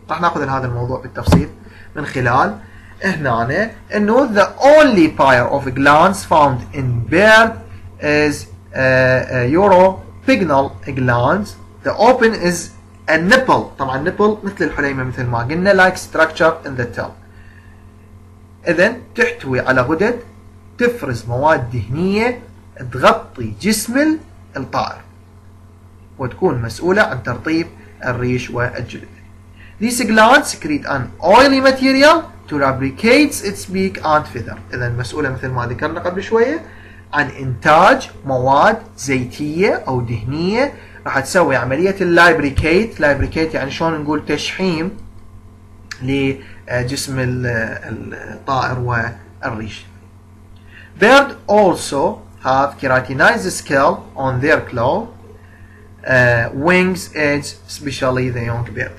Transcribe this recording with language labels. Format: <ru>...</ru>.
<ar>راح ناخذ هذا الموضوع بالتفصيل من خلال هنا انه</ar> <en>the only pair of glands found in bird is uropygnal glands. The open is a nipple، طبعا nipple</en> <ar>مثل الحليمة مثل ما قلنا</ar> <en>like structure in the tail.</en> <ar>إذن تحتوي على غدد تفرز مواد دهنية تغطي جسم الطائر وتكون مسؤولة عن ترطيب الريش والجلد.</ar> <en>These glands secrete an oily material to lubricate its beak and feather.</en> <ar>إذن مسؤولة مثل ما ذكرنا قبل شوية عن إنتاج مواد زيتية أو دهنية، راح تسوي عملية اللايبريكيت. لايبريكيت يعني شلون نقول تشحيم لجسم الطائر والريش.</ar> <en>Bird also have keratinized scale on their claw wings edge especially the young bird.</en>